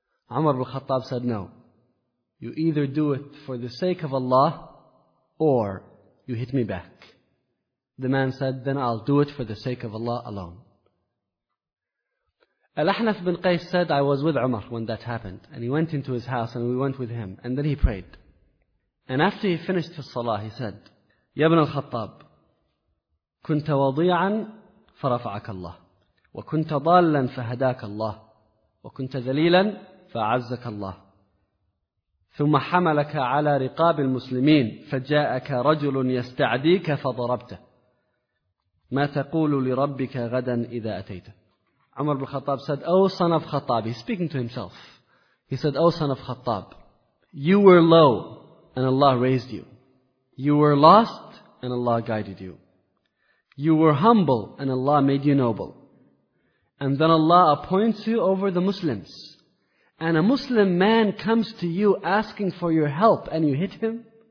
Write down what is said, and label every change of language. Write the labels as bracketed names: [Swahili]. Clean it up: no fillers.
[English] Umar bin Khattab said, no. You either do it for the sake of Allah, or you hit me back. The man said, then I'll do it for the sake of Allah alone. Al-Ahnaf bin Qais said, I was with Umar when that happened. And he went into his house and we went with him. And then he prayed. And after he finished his salah, he said, [Arabic] يَا بْنَ الْخَطَّابِ كُنْتَ وَضِيعًا فَرَفَعَكَ اللَّهِ وَكُنْتَ ضَالًا فَهَدَاكَ اللَّهِ وَكُنْتَ ذَلِيلًا فَأَعَزَّكَ اللَّهِ ثم حملك على رقاب المسلمين فجاءك رجل يستعديك فضربته ما تقول لربك غدا إذا أتيته. [English] عمر بن الخطاب said, oh son of Khattab, he's speaking to himself. He said, oh son of Khattab, you were low and Allah raised you. You were lost and Allah guided you. You were humble and Allah made you noble. And then Allah appoints you over the Muslims. And a Muslim man comes to you asking for your help and you hit him?